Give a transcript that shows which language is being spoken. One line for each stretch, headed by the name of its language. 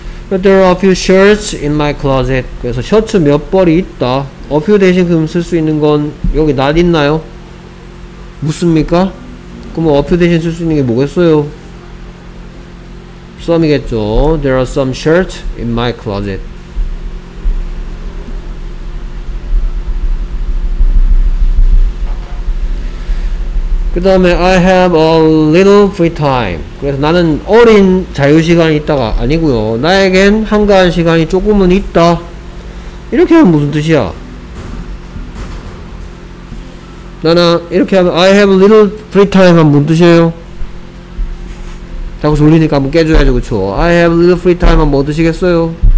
English: But there are a few shirts in my closet.
Korean: 그래서 셔츠 몇 벌이 있다.
English: A few
Korean: 대신 그럼 쓸 수 있는 건 여기 not 있나요? 묻습니까? 그럼 a few 대신 쓸 수 있는 게 뭐겠어요? some이겠죠.
English: There are some shirts in my closet.
Korean: 그 다음에
English: I have a little free time.
Korean: 그래서 나는 어린 자유시간이 있다가 아니고요 나에겐 한가한 시간이 조금은 있다. 이렇게 하면 무슨 뜻이야? 나는 이렇게 하면
English: I have a little free time
Korean: 하면 무슨 뜻이에요? 자꾸 졸리니까 한번 깨줘야죠. 그쵸?
English: I have a little free time
Korean: 하면 뭐 뜻이겠어요?